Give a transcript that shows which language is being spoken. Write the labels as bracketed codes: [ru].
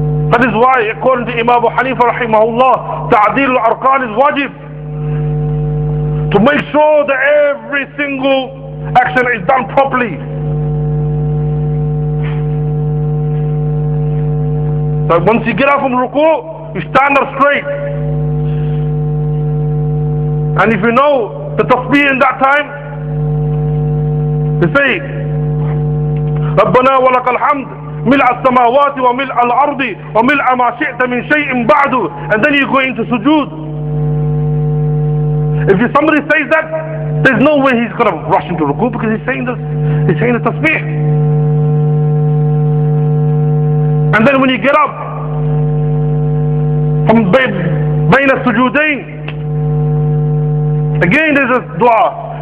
[en] That is why, according to Imam Abu Hanifa rahimahullah, ta'deel al-arqan is wajib. To make sure that every single action is done properly. So once you get out from ruku', you stand up straight. And if you know the tasbih in that time, you say, [ar] رَبَّنَا وَلَكَ الْحَمْدِ مِلْعَ السَّمَاوَاتِ وَمِلْعَ الْأَرْضِ وَمِلْعَ مَا شِئْتَ مِنْ شَيْءٍ بَعْدُ. [en] And then you go into sujood. If somebody says that, there's no way he's going to rush into ruku', because he's saying the tasbih. And then when you get up from بين السجودين, again there's a dua.